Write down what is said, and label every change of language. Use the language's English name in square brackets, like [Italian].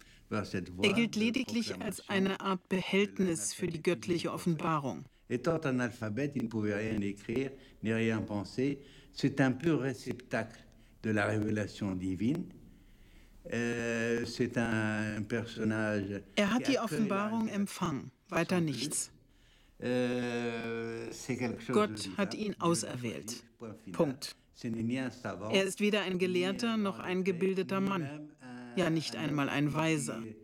[German] Er gilt lediglich als eine Art Behältnis für die göttliche Offenbarung. [French] Étant analphabète, il ne pouvait rien écrire, ni rien penser. C'est un pur réceptacle de la révélation divine. C'est un personnage. [German] Er hat die Offenbarung empfangen, weiter nichts. Gott hat ihn auserwählt. Punkt. Er ist weder ein Gelehrter noch ein gebildeter Mann, ja nicht einmal ein Weiser.